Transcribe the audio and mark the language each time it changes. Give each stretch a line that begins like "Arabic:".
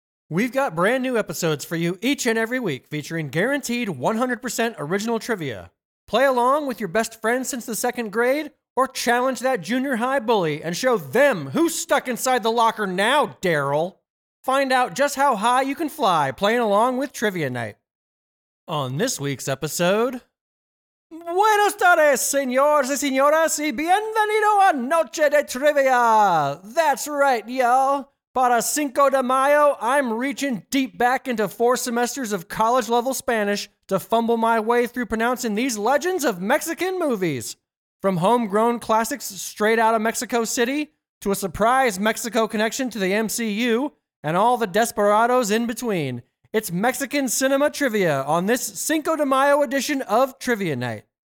English: We've got brand new episodes for you each and every week featuring guaranteed 100% original trivia. Play along with your best friends since the second grade, or challenge that junior high bully and show them who's stuck inside the locker now, Daryl. Find out just how high you can fly playing along with Trivia Night. On this week's episode...
Spanish: Buenos tardes, señores y señoras, y bienvenido a Noche de Trivia!
English: That's right, y'all. Para Cinco de Mayo, I'm reaching deep back into four semesters of college-level Spanish to fumble my way through pronouncing these legends of Mexican movies. From homegrown classics straight out of Mexico City, to a surprise Mexico connection to the MCU, and all the desperados in between, it's Mexican cinema trivia on this Cinco de Mayo edition of Trivia Night.